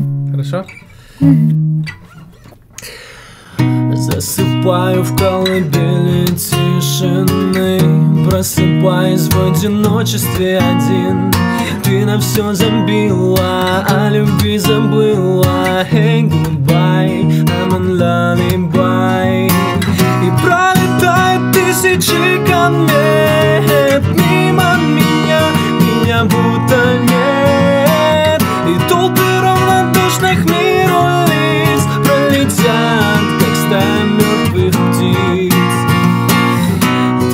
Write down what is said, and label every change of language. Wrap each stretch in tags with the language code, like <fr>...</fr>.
<ru>Хорошо? Засыпаю в колыбели тишины, просыпаюсь в одиночестве один. Ты на все забила, о любви забыла.</ru> <en>Hey, goodbye, I'm a lullaby.</en> <ru>И пролетают тысячи комет мимо меня, меня будто нет. И толпы равнодушных миру лиц пролетят, как стая мертвых птиц.</ru>